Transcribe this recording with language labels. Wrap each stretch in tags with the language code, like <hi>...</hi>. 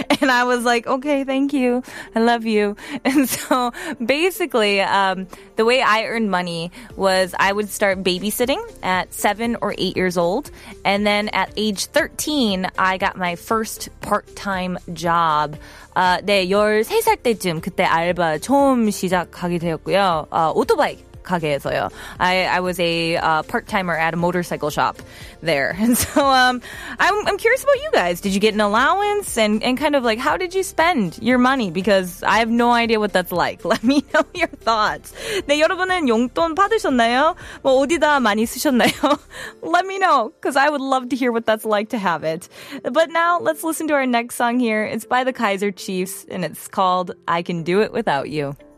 <en>And I was like, okay, thank you. I love you. And so basically, the way I earned money was I would start babysitting at 7 or 8 years old. And then at age 13, I got my first part-time job.</en> <ko>네, 13살 때쯤 그때 알바 처음 시작하게 되었고요. 오토바이. 가게에서요.</ko> <en>I was a part-timer at a motorcycle shop there. And so I'm curious about you guys. Did you get an allowance? And kind of like, how did you spend your money? Because I have no idea what that's like. Let me know your thoughts.</en> <ko>네, 여러분은 용돈 받으셨나요? 뭐 어디다 많이 쓰셨나요?</ko> <en>Let me know, because I would love to hear what that's like to have it. But now, let's listen to our next song here. It's by the Kaiser Chiefs, and it's called I Can Do It Without You.</en>